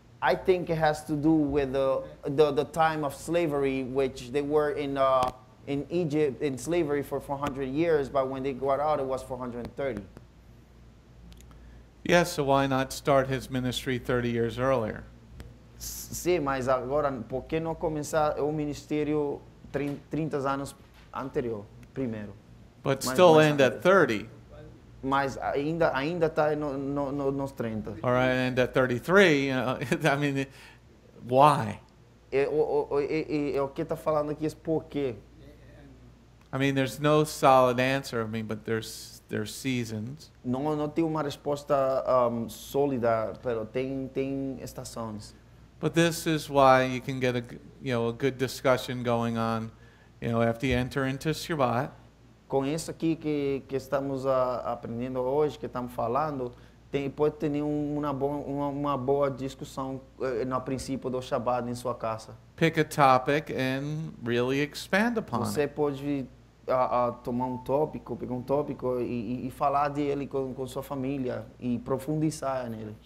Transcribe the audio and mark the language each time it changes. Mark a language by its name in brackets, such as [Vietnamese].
[English] I think it has to do with the time of slavery, which they were in Egypt in slavery for 400 years, but when they got out, it was 430. Yes, so why not start his ministry 30 years earlier? [Portuguese] Sí, mas agora, por que não começar o ministério 30 anos anterior, primeiro? [English] But still end at 30. [Portuguese] Mas ainda está nos 30. [English] All right, end at 33. I mean, why? [Portuguese] O que está falando aqui é por quê? [English] I mean, there's no solid answer, I mean, but there's seasons. [Portuguese] Não tenho uma resposta sólida, pero tem estações. [English] But this is why you can get a good discussion going on, you know, after you enter into Shabbat. [Portuguese] Com isso aqui que estamos aprendendo hoje, que estamos falando, pode ter uma boa discussão no princípio do Shabbat em sua casa. [English] Pick a topic and really expand upon [Portuguese] it. Você pode tomar um tópico e falar dele com sua família e profundizar nele.